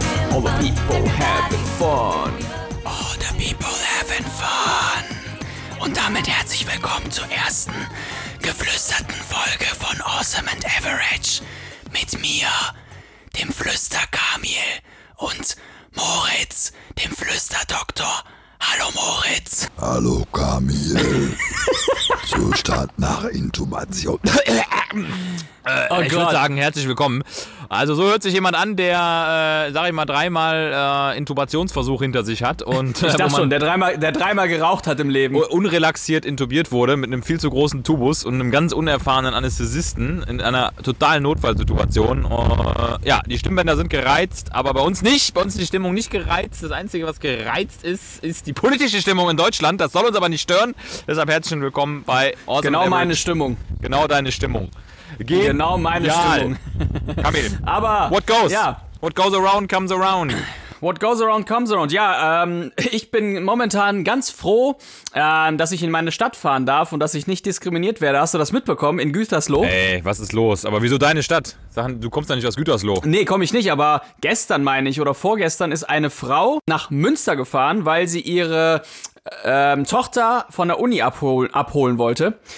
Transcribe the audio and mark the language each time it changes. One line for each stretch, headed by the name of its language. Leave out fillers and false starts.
English: All the people having fun. All the people having fun.
German: Und damit herzlich willkommen zur ersten geflüsterten Folge von Awesome and Average mit mir, dem Flüster-Kamil, und Moritz, dem Flüster-Doktor. Hallo Moritz. Hallo Kamil. Zum Start nach Intubation. Ich würde sagen, herzlich willkommen. Also so hört sich jemand an, der, sag ich mal, dreimal Intubationsversuch hinter sich hat. Und, ich dachte schon, der dreimal geraucht hat im Leben. Unrelaxiert intubiert wurde mit einem viel zu großen Tubus und einem ganz unerfahrenen Anästhesisten in einer totalen Notfallsituation. Ja, die Stimmbänder sind gereizt, aber bei uns nicht. Bei uns ist die Stimmung nicht gereizt. Das Einzige, was gereizt ist, ist die politische Stimmung in Deutschland. Das soll uns aber nicht stören. Deshalb herzlich willkommen bei Awesome. Genau meine Stimmung. Genau deine Stimmung. Genau meine Stimmung. Kamil. Aber
English: what goes? Ja. What goes around comes around. What goes around comes around.
German: Ja, ich bin momentan ganz froh, dass ich in meine Stadt fahren darf und dass ich nicht diskriminiert werde. Hast du das mitbekommen? In Gütersloh? Ey, was ist los? Aber wieso deine Stadt? Du kommst ja nicht aus Gütersloh. Nee, komme ich nicht, aber gestern meine ich oder vorgestern ist eine Frau nach Münster gefahren, weil sie ihre Tochter von der Uni abholen wollte.